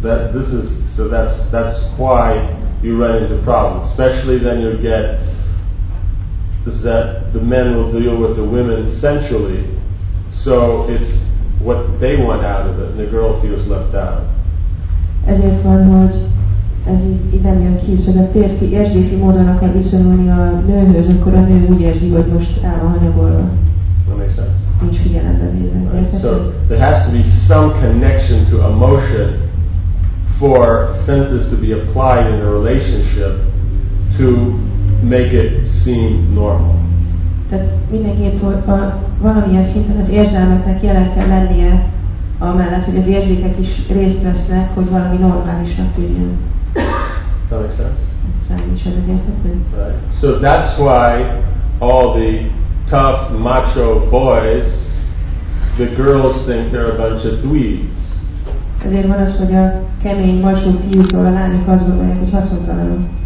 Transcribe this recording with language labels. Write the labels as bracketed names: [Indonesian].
[English] That's why you run into problems, especially then you get is that the men will deal with the women sensually, so it's what they want out of it, and the girl feels left out. [Hungarian] Ezért van, hogy ez idem jön ki, hogy a férfi érzéki módon akar viszonyulni a nőhöz, akkor a nő úgy érzi, hogy most el van hanyagolva. [English] That makes sense. [Hungarian] Nincs figyelembe véve. [English] So there has to be some connection to emotion for senses to be applied in a relationship to make it seem normal. [Hungarian] Tehát mindenképpen valamilyen szinten az érzelmeknek jelen kell lennie, amellett, hogy az érzékek is részt vesznek, hogy valami normálisnak tűnjön. [English] That makes sense. [Hungarian] Ez érthető. [English] Right. So that's why all the tough macho boys, the girls think they're a bunch of dweebs. [Hungarian] Ezért van az, hogy a kemény macho fiúkról a lányok azt gondolják, hogy haszontalanok.